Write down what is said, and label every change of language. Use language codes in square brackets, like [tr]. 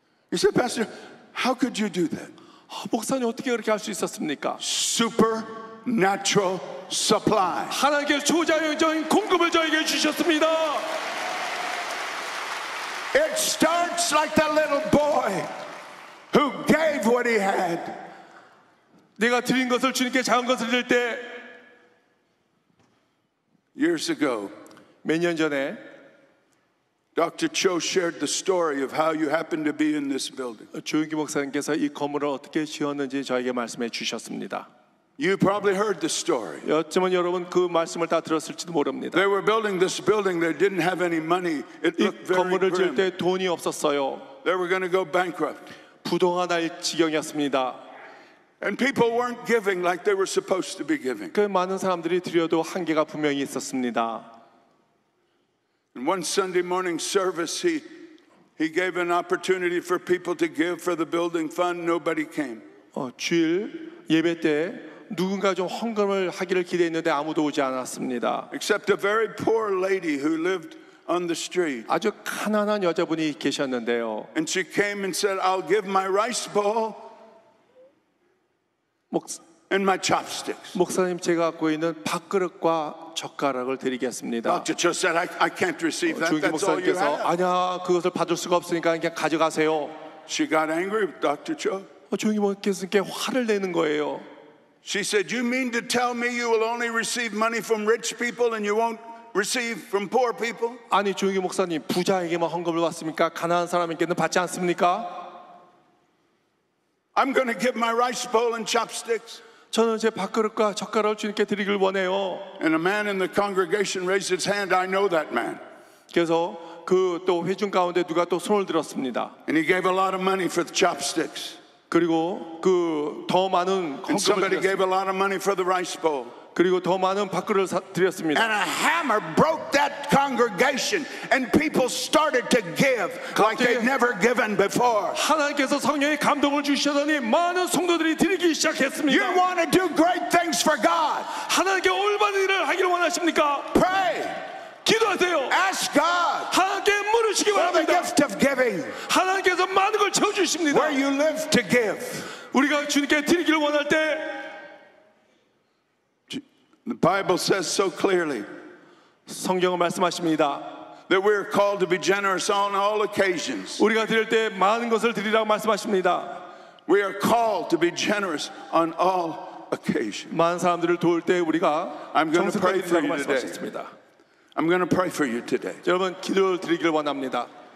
[en] You said, "Pastor, how could you do that?" [ko] 목사님 어떻게 그렇게 할 수 있었습니까? [en] Supernatural supply. [ko] 하나님께서 초자연적인 공급을 저에게 주셨습니다. [en] It starts like that little boy who gave what he had. [ko] 내가 드린 것을 주님께 작은 것을 드릴 때. [en] Years ago, [ko] 몇 년 전에, [en] Dr. Cho shared the story of how you happened to be in this building. [ko] 조용기 목사님께서 이 건물을 어떻게 지었는지 저에게 말씀해 주셨습니다. [en] You probably heard the story. [ko] 어쩌면 여러분 그 말씀을 다 들었을지도 모릅니다. [en] They were building this building. They didn't have any money. It looked very grim. [ko] 건물을 지을 때 돈이 없었어요. [en] They were going to go bankrupt. [ko] 부도가 날 지경이었습니다. [en] And people weren't giving like they were supposed to be giving. [ko] 그 많은 사람들이 드려도 한계가 분명히 있었습니다. [en] And one Sunday morning service, he gave an opportunity for people to give for the building fund. Nobody came. [ko] 주일 예배 때 누군가 좀 헌금을 하기를 기대했는데 아무도 오지 않았습니다. [en] Except a very poor lady who lived on the street. [ko] 아주 가난한 여자분이 계셨는데요. [en] And she came and said, "I'll give my rice bowl and my chopsticks." [ko] 목사님 제가 갖고 있는 밥그릇과 젓가락을 드리겠습니다. [en] Dr. Cho said, "I can't receive that. That's all you have." [ko] 목사님께서 아니야 그것을 받을 수가 없으니까 그냥 가져가세요. [en] She got angry with Dr. Cho. [ko] 조용기 목사님께 화를 내는 거예요. [en] She said, "You mean to tell me you will only receive money from rich people and you won't receive from poor people?" [ko] 아니 조용기 목사님 부자에게만 헌금을 받습니까? 가난한 사람에게는 받지 않습니까? [en] I'm going to give my rice bowl and chopsticks. [ko] 저는 제 밥그릇과 젓가락을 주님께 드리길 원해요. [en] And a man in the congregation raised his hand. I know that man. [ko] 그래서 그 또 회중 가운데 누가 또 손을 들었습니다. [en] And he gave a lot of money for the chopsticks. [ko] 그리고 그 더 많은 [en] And somebody gave a lot of money for the rice bowl. [ko] 그리고 더 많은 밥그릇을 드렸습니다. [en] And a hammer broke that congregation, and people started to give like they'd never given before. [ko] 하나님께서 성령의 감동을 주시더니 많은 성도들이 드리기 시작했습니다. [en] You want to do great things for God? [ko] 하나님께 올바른 일을 하기를 원하십니까? [en] Pray. [ko] 기도하세요. [en] Ask God. [ko] 하나님께 물으시기 바랍니다. [en] For the gift of giving. [ko] 하나님께서 많은 걸 채워주십니다. [en] Where you live to give. [ko] 우리가 주님께 드리기를 원할 때. [en] The Bible says so clearly. [ko] 성경은 말씀하십니다. [en] That we are called to be generous on all occasions. [ko] 우리가 드릴 때 많은 것을 드리라고 말씀하십니다. [en] We are called to be generous on all occasions. [ko] 많은 사람들을 도울 때 우리가 [en] I'm going to pray for you today. I'm going to pray for you today. [ko] 여러분 기도를 드리기를 원합니다.